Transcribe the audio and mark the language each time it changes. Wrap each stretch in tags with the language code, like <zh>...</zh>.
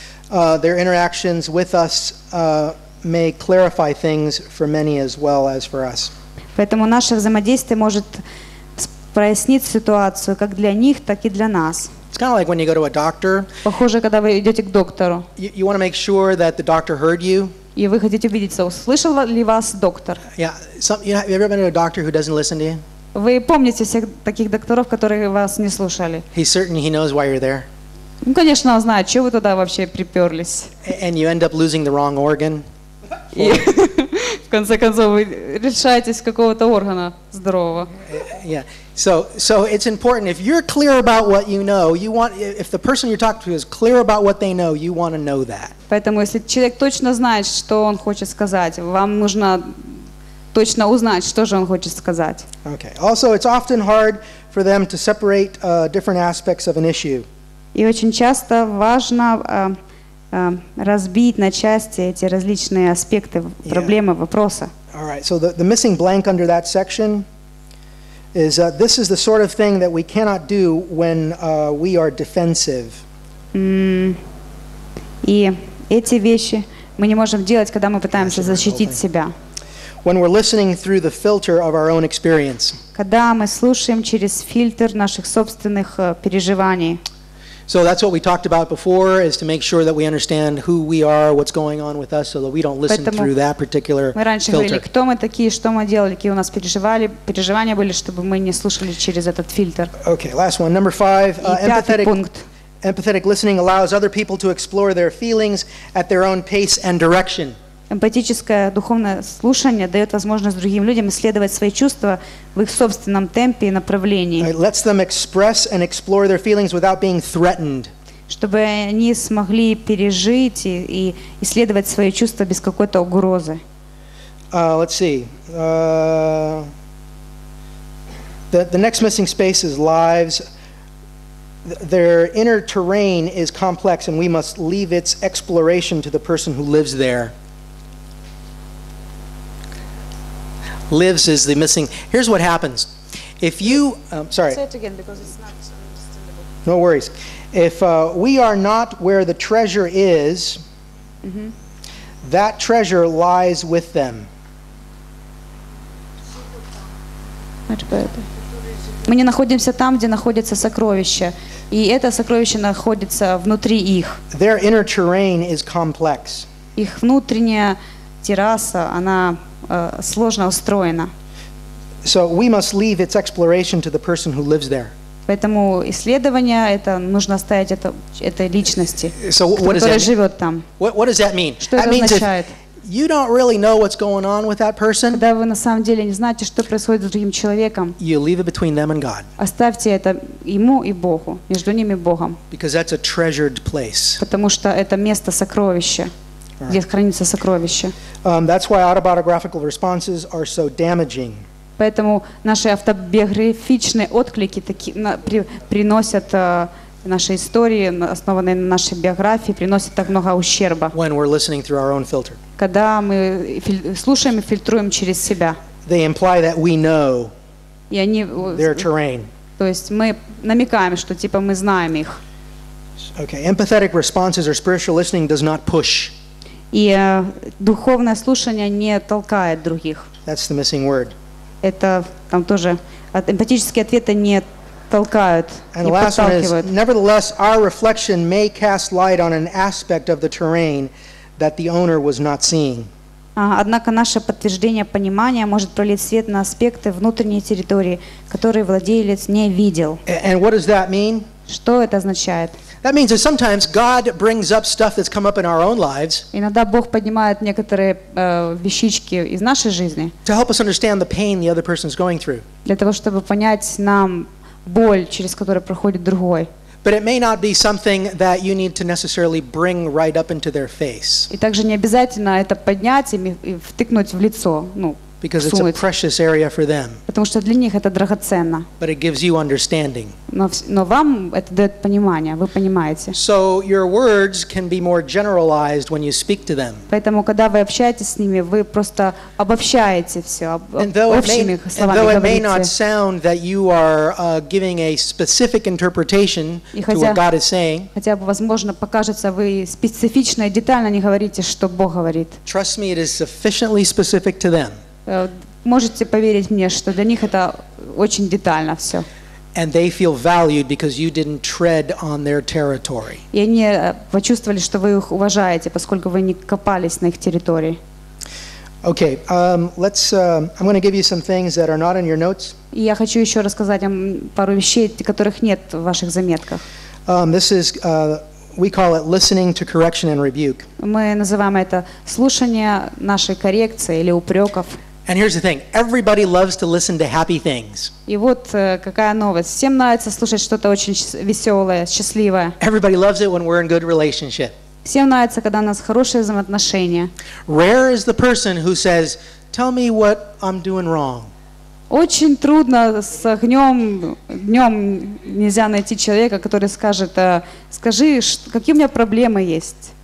<en>Their interactions with us may clarify things for many as well as for us.</en> <ru>Поэтому наше взаимодействие может прояснить ситуацию как для них, так и для нас.</ru> <en>It's kind of like when you go to a doctor.</en> <ru>Похоже, когда вы идете к доктору.</ru> <en>You want to make sure that the doctor heard you.</en> <ru>И вы хотите убедиться, услышал ли вас доктор?</ru> <en>Yeah. Have you ever been to a doctor who doesn't listen to you?</en> <ru>Вы помните всех таких докторов, которые вас не слушали?</ru> <en>He's certain he knows why you're there.</en> <ru>Ну, конечно, он знает, чего вы туда вообще приперлись.</ru> <en>And you end up losing the wrong organ.</en> <ru>И в конце концов вы решаетесь какого-то органа здорового.</ru> <en>Yeah. So it's important if you're clear about what you know, you want if the person you're talking to is clear about what they know, you want to know that.</en> <ru>Поэтому если человек точно знает, что он хочет сказать, вам нужно точно узнать, что же он хочет сказать.</ru> <en>Okay. Also, it's often hard for them to separate different aspects of an issue.</en> <ru>И очень часто важно разбить на части эти различные аспекты проблемы, вопроса.</ru> <en>All right. So the missing blank under that section is this is the sort of thing that we cannot do when we are defensive.</en> <ru>И эти вещи мы не можем делать, когда мы пытаемся защитить себя.</ru> <en>When we're listening through the filter of our own experience.</en> <ru>Когда мы слушаем через фильтр наших собственных переживаний.</ru> <en>So that's what we talked about before, is to make sure that we understand who we are, what's going on with us, so that we don't listen through that particular filter.</en> <ru>Мы раньше говорили, кто мы такие, что мы делали, какие у нас переживания были, чтобы мы не слушали через этот фильтр.</ru> <en>Okay, last one, number five.</en> <ru>И пятый пункт.</ru> <en>Empathetic listening allows other people to explore their feelings at their own pace and direction.</en> <ru>Эмпатическое духовное слушание дает возможность другим людям исследовать свои чувства в их собственном темпе и направлении.</ru> <en>It lets them express and explore their feelings without being threatened.</en> <ru>Чтобы они смогли пережить и исследовать свои чувства без какой-то угрозы.</ru> <en>Let's see. The next missing space is lives. Their inner terrain is complex, and we must leave its exploration to the person who lives there. Lives is the missing. Here's what happens. If you, sorry. Say it again because it's not so understandable. No worries. If we are not where the treasure is, that treasure lies with them. Much better.</en> <ru>Мы не находимся там, где находится сокровище, и это сокровище находится внутри их.</ru> <en>Their inner terrain is complex.</en> <ru>Их внутренняя терраса, она сложно устроена.</ru> <en>So we must leave its exploration to the person who lives there.</en> <ru>Поэтому исследование это нужно оставить этой личности, которая живет там.</ru> <en>What does that mean?</en> <ru>Что это означает?</ru> <en>You don't really know what's going on with that person.</en> <ru>Когда вы на самом деле не знаете, что происходит с другим человеком.</ru> <en>You leave it between them and God.</en> <ru>Оставьте это ему и Богу, между ними и Богом.</ru> <en>Because that's a treasured place.</en> <ru>Потому что это место сокровища, где хранится сокровище.</ru> <en>That's why autobiographical responses are so damaging.</en> <ru>Поэтому наши автобиографичные отклики приносят наши истории, основанные на нашей биографии, приносят так много ущерба.</ru> <en>When we're listening through our own filter.</en> <ru>Когда мы слушаем и фильтруем через себя.</ru> <en>They imply that we know their terrain.</en> <ru>То есть мы намекаем, что типа мы знаем их.</ru> <en>Okay, empathetic responses or spiritual listening does not push.</en> <ru>И духовное слушание не толкает других.</ru> <en>That's the missing word.</en> <ru>Это там тоже эмпатические ответы не толкают,</ru> <en>and the last one is, nevertheless, our reflection may cast light on an aspect of the terrain that the owner was not seeing.</en> <ru>Однако наше подтверждение понимания может пролить свет на аспекты внутренней территории, которые владелец не видел.</ru> <en>And what does that mean?</en> <ru>Что это означает?</ru> <en>That means that sometimes God brings up stuff that's come up in our own lives.</en> <ru>Иногда Бог поднимает некоторые вещички из нашей жизни.</ru> <en>To help us understand the pain the other person is going through.</en> <ru>Для того, чтобы понять нам боль, через которую проходит другой.</ru> <en>But it may not be something that you need to necessarily bring right up into their face.</en> <ru>И также не обязательно это поднять им и втыкнуть в лицо, ну,</ru> <en>because it's a precious area for them.</en> <ru>Потому что для них это драгоценно.</ru> <en>But it gives you understanding.</en> <ru>Но вам это дает понимание, вы понимаете.</ru> <en>So your words can be more generalized when you speak to them.</en> <ru>Поэтому когда вы общаетесь с ними, вы просто обобщаете все общими словами.</ru> <en>And though it may not sound that you are giving a specific interpretation to what God is saying.</en> <ru>Хотя бы возможно покажется, вы специфично и детально не говорите, что Бог говорит.</ru> <en>Trust me, it is sufficiently specific to them.</en> <ru>Можете поверить мне, что для них это очень детально все.</ru> <en>And they feel valued because you didn't tread on their territory.</en> <ru>И они почувствовали, что вы их уважаете, поскольку вы не копались на их территории.</ru> <en>Okay, let's. I'm going to give you some things that are not in your notes.</en> <ru>И я хочу еще рассказать вам пару вещей, которых нет в ваших заметках.</ru> <en>This is we call it listening to correction and rebuke.</en> <ru>Мы называем это слушание нашей коррекции или упреков.</ru> <en>And here's the thing: everybody loves to listen to happy things.</en> <ru>И вот какая новость: всем нравится слушать что-то очень веселое, счастливое.</ru> <en>Everybody loves it when we're in good relationship.</en> <ru>Всем нравится, когда у нас хорошие взаимоотношения.</ru> <en>Rare is the person who says, "Tell me what I'm doing wrong."</en> <ru>Очень трудно с огнем нельзя найти человека, который скажет, скажи, какие у меня проблемы есть.</ru>